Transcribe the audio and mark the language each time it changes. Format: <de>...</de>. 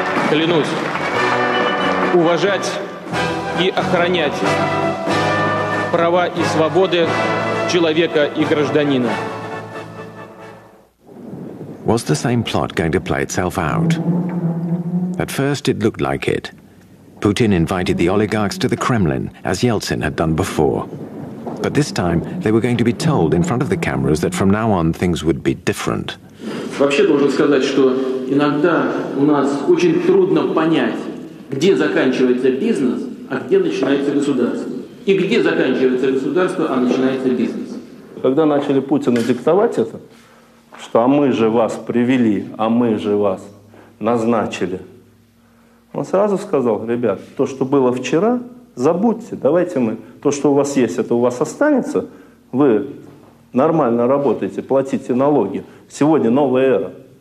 <ru>клянусь уважать и охранять права и свободы человека и гражданина.</ru> <en>Was the same plot going to play itself out? At first it looked like it. Putin invited the oligarchs to the Kremlin, as Yeltsin had done before. But this time they were going to be told in front of the cameras that from now on things would be different.</en> <ru>Вообще должен сказать, что иногда у нас очень трудно понять, где заканчивается бизнес, а где начинается государство. И где заканчивается государство, а начинается бизнес. Когда начали Путину диктовать это, что «а мы же вас привели, а мы же вас назначили», он сразу сказал: «Ребят, то, что было вчера, забудьте, давайте мы, то, что у вас есть, это у вас останется, вы нормально работаете, платите налоги, сегодня новая эра».</ru>